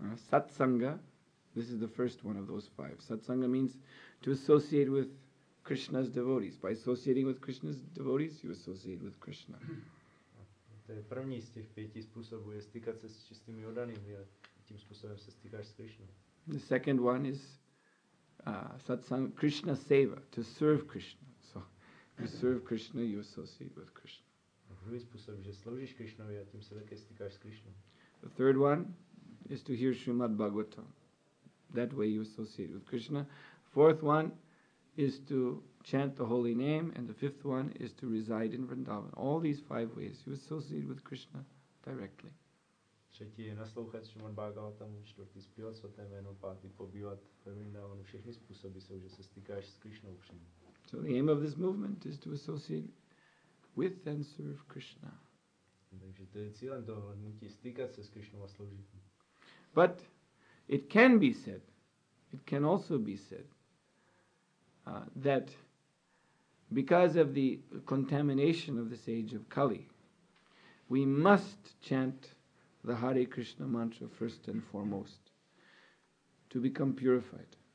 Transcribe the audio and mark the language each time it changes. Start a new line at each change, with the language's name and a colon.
English: Satsanga, this is the first one of those five. Satsanga means to associate with Krishna's devotees. By associating with Krishna's devotees, you associate with Krishna.
Czech: To je první z těch pěti způsobů, je stýkat se s čistými oddanými a tím způsobem se stýkáš s Krishnou.
English: The second one is satsang, Krishna seva, to serve Krishna. So, you serve Krishna, you associate with Krishna.
Czech: A druhý způsob, že sloužíš Krishnovi a tím se také stýkáš s Krishnou.
English: The third one is to hear Srimad Bhagavatam. That way you associate with Krishna. Fourth one is to chant the holy name, and the fifth one is to reside in Vrindavan. All these five ways you associate with Krishna directly.
Czech: Třetí je naslouchat Srimad Bhagavatam, čtvrtý zpívat svaté jméno, pátý pobývat ve Vrindavanu. Všechny způsoby jsou, že se stýkáš s Krishnou přímo.
English: So the aim of this movement is to associate with and serve Krishna.
Czech: Takže to je cílem toho hnutí, stýkat se s Krishnou a sloužit.
English: But it can be said, it can also be said, that because of the contamination of this age of Kali, we must chant the Hare Krishna mantra first and foremost to become purified.